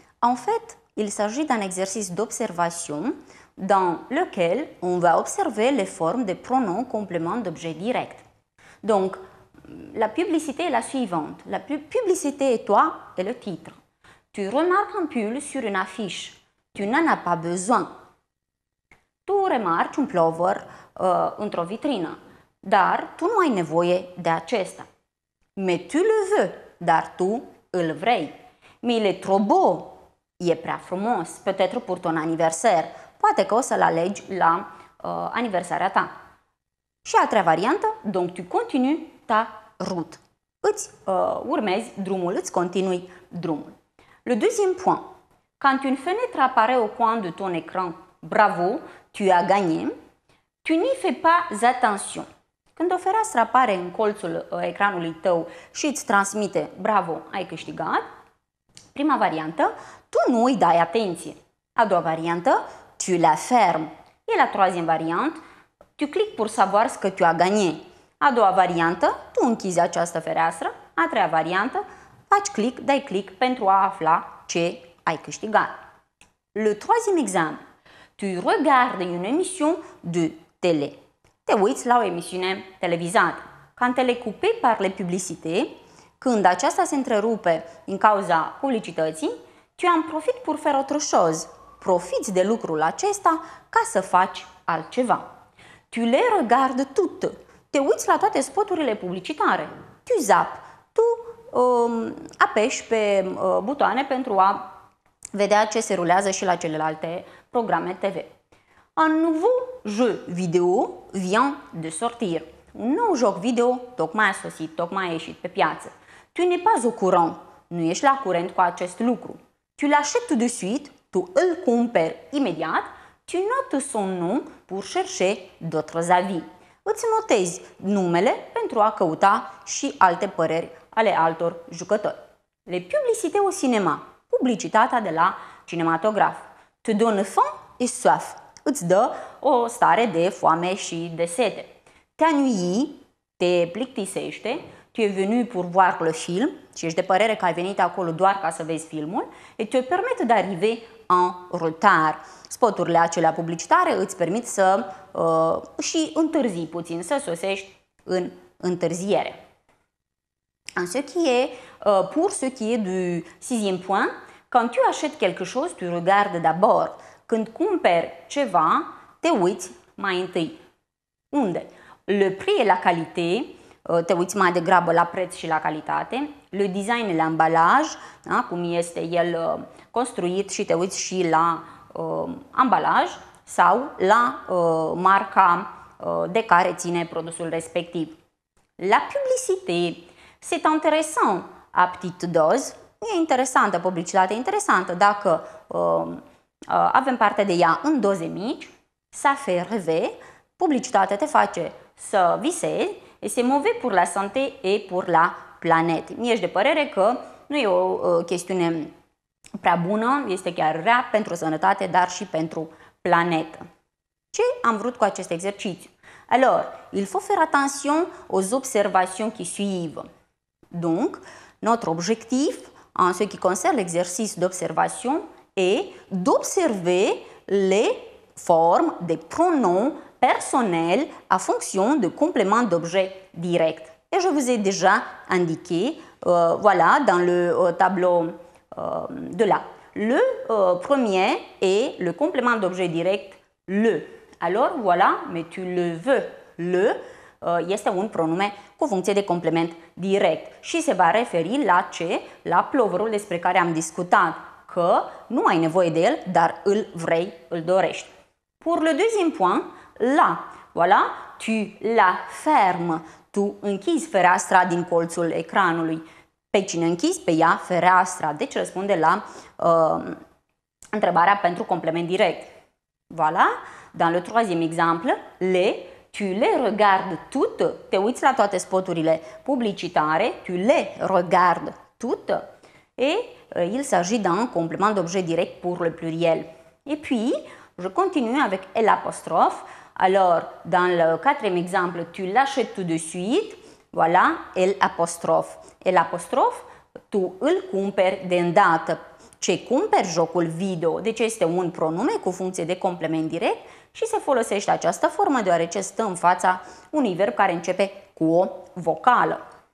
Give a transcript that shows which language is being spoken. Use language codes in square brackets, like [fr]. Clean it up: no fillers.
[fr] En fait, il s'agit d'un exercice d'observation dans lequel on va observer les formes des pronoms compléments d'objet direct. Donc, la publicité est la suivante. La publicité est toi et le titre. Tu remarques un pull sur une affiche. Tu n'en as pas besoin. Tu remarques un plover [ro] într-o vitrină. Dar tu nu ai nevoie de acesta. [fr] Mais tu le veux. [ro] Dar tu îl vrei. [fr] Mais il est trop beau. [ro] E prea frumos. [fr] Peut-être pour ton anniversaire. [ro] Poate că o să-l alegi la aniversarea ta. Și a treia variantă, [fr] donc tu continui ta route. [ro] Îți urmezi drumul, îți continui drumul. [fr] Le deuxième point. Quand une fenêtre apare au coin de ton écran, bravo, tu as gagné, tu n'y fais pas attention. [ro] Când o fereastră apare în colțul ecranului tău și îți transmite, bravo, ai câștigat, prima variantă, tu nu îi dai atenție. A doua variantă, [fr] tu la fermes. Et la troisième variante, tu cliques pour savoir ce que tu as gagné. [ro] A doua variantă, tu închizi această fereastră. A treia variantă, faci click, dai click pentru a afla ce ai câștigat. [fr] Le troisième exemple, tu regardes une émission de télé. [ro] Te uiți la o emisiune televizată. [fr] Quand elle est coupée par les publicités, [ro] când aceasta se întrerupe din cauza publicității, [fr] tu en profites pour faire autre chose. [ro] Profiți de lucrul acesta ca să faci altceva. [fr] Tu le regardes toute. [ro] Te uiți la toate spoturile publicitare. [fr] Tu zap. [ro] Tu apeși pe butoane pentru a vedea ce se rulează și la celelalte programe TV. [fr] Un nouveau jeu vidéo vient de sortir. [ro] Un nou joc video tocmai a sosit, tocmai a ieșit pe piață. [fr] Tu n'es pas au courant. [ro] Nu ești la curent cu acest lucru. [fr] Tu l'achètes tout de suite. [ro] Tu îl cumperi imediat, tu notezi [fr] son nom pour chercher d'autres avis. [ro] Îți notezi numele pentru a căuta și alte păreri ale altor jucători. [fr] Le publicité au cinéma, [ro] publicitatea de la cinematograf. [fr] Te donne faim et soif, [ro] îți dă o stare de foame și de sete. [fr] T'ennuie, [ro] te plictisește. [fr] Tu es venu pour voir le film [ro] și ești de părere că ai venit acolo doar ca să vezi filmul [fr] et te permet d'arriver en retard. [ro] Spoturile acelea publicitare îți permit să și întârzii puțin, să sosești în întârziere. [fr] En ce qui est, pour ce qui est du sixième point, quand tu achètes quelque chose, tu regardes d'abord. [ro] Când cumperi ceva, te uiți mai întâi. Unde? [fr] Le prix et la qualité. [ro] Te uiți mai degrabă la preț și la calitate, [fr] le design et [ro] l'ambalaj, da? Cum este el construit și te uiți și la ambalaj sau la marca de care ține produsul respectiv. [fr] La publicité, c'est intéressant à petite dose, [ro] e interesantă, publicitatea interesantă, dacă avem parte de ea în doze mici, [fr] ça fait rêver, [ro] publicitatea te face să visezi. [fr] Este mauvais pour la santé et pour la planète. [ro] Mie ești de părere că nu e o chestiune prea bună, este chiar rea pentru sănătate, dar și pentru planetă. Ce am vrut cu acest exercițiu? [fr] Alors, il faut faire attention aux observations qui suivent. Donc, notre objectif en ce qui concerne l'exercice d'observation est d'observer les formes des pronoms personnel à fonction de complément d'objet direct. Et je vous ai déjà indiqué, voilà, dans le tableau de là. Le premier est le complément d'objet direct, le. Alors, voilà, mais tu le veux. Le, [ro] este un pronume cu funcție de complement direct și se va referi la ce? La plovărul despre care am discutat, că nu ai nevoie de el, dar îl vrei, îl dorești. [fr] Pour le deuxième point, la. Voilà, tu la fermes. [ro] Tu închizi fereastra din colțul ecranului. Pe cine închizi? Pe ea fereastra. Deci răspunde la întrebarea pentru complement direct. [fr] Voilà, dans le troisième exemple, le, tu le regardes toutes. [ro] Te uiți la toate spoturile publicitare, [fr] tu le regardes toutes. Et il s'agit d'un complément d'objet direct pour le pluriel. Et puis, je continue avec el apostrophe. Alors, dans le quatrième exemple, tu l'achètes tout de suite. Voilà, el apostrophe. El apostrophe, [ro] tu îl cumperi de îndată. Ce cumperi? Jocul video. Deci este un pronume cu funcție de complement direct și se folosește această formă deoarece stă în fața unui verb care începe cu o vocală.